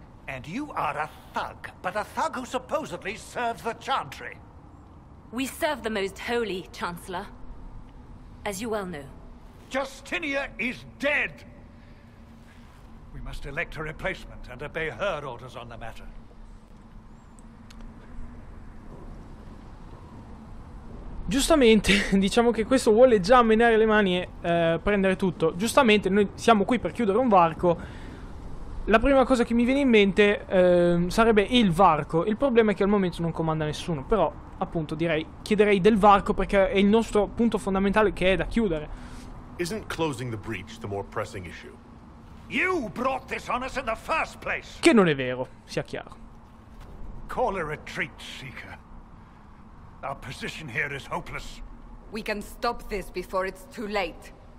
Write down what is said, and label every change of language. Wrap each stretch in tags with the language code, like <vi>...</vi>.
<en>And you are a thug, but a thug who supposedly serves the Chantry. We serve the most holy, Chancellor. As you well know. Justinia is dead! We must elect a replacement and obey her orders on the matter.</en> <it>Giustamente, diciamo che questo vuole già menare le mani e prendere tutto. Giustamente, noi siamo qui per chiudere un varco. La prima cosa che mi viene in mente sarebbe il varco. Il problema è che al momento non comanda nessuno, però appunto chiederei del varco perché è il nostro punto fondamentale che è da chiudere.</it> <en>Isn't closing the breach the more pressing issue? You brought this on us in the first place.</en> <it>Che non è vero, sia chiaro.</it> <en>Call a retreat, seeker. Our position here is hopeless. We can stop this before it's too late.</en>